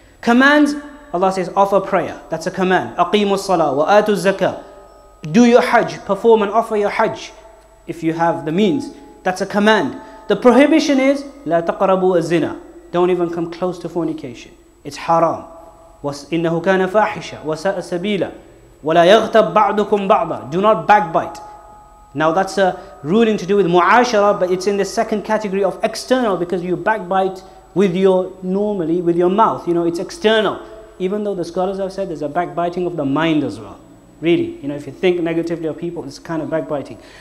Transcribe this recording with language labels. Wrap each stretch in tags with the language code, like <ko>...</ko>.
<en>Commands, Allah says, offer prayer. That's a command.</en> <ar>Aqimu salah wa atu zakah.</ar> <en>Do your hajj, perform and offer your hajj if you have the means. That's a command. The prohibition is</en> <ar>لا تقربوا الزنا.</ar> <en>Don't even come close to fornication. It's haram.</en> <ar>إنه كان فاحشة وساء سبيلا ولا يغتب بعضكم بعضا.</ar> <en>Do not backbite. Now that's a ruling to do with mu'ashara, but it's in the second category of external, because you backbite with your normally with your mouth. You know, it's external. Even though the scholars have said there's a backbiting of the mind as well. Really, you know, if you think negatively of people, it's kind of backbiting.</en>